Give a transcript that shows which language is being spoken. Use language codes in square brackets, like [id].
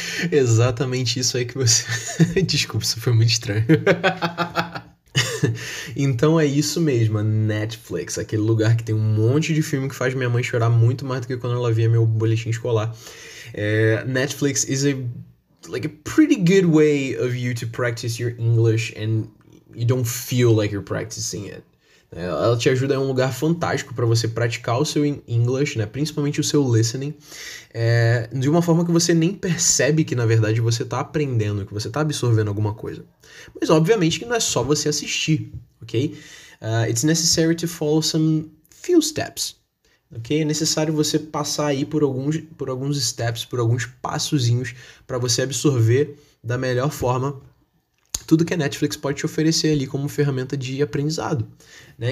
[pt] Exatamente isso aí que você. Desculpa, isso foi muito estranho. Então é isso mesmo, a Netflix, aquele lugar que tem um monte de filme que faz minha mãe chorar muito mais do que quando ela via meu boletim escolar. [en] Netflix is a like a pretty good way of you to practice your English and you don't feel like you're practicing it. [pt] Ela te ajuda, é um lugar fantástico para você praticar o seu English, né? Principalmente o seu listening, de uma forma que você nem percebe que na verdade você está aprendendo, que você está absorvendo alguma coisa. Mas obviamente que não é só você assistir, ok? [en] It's necessary to follow some few steps, ok? [pt] É necessário você passar aí por alguns steps, por alguns passozinhos para você absorver da melhor forma tudo que a Netflix pode te oferecer ali como ferramenta de aprendizado, né?